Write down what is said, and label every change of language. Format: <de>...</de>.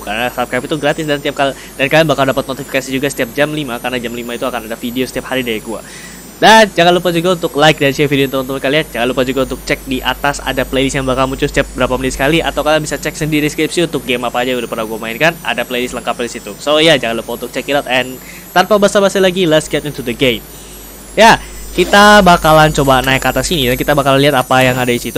<id>Karena subscribe itu gratis dan kalian bakal dapat notifikasi juga setiap jam 5. Karena jam 5 itu akan ada video setiap hari dari gue. Dan jangan lupa juga untuk like dan share video ini teman-teman kalian. Jangan lupa juga untuk cek di atas ada playlist yang bakal muncul setiap berapa menit sekali. Atau kalian bisa cek sendiri deskripsi untuk game apa aja yang udah pernah gue mainkan. Ada playlist lengkap di situ.</id> <en>So yeah,</en> <id>jangan lupa untuk</id> <en>check it out. And</en> <id>tanpa basa-basi lagi,</id> <en>let's get into the game.</en> <id>Ya, kita bakalan coba naik ke atas sini dan kita bakalan lihat apa yang ada di situ.</id>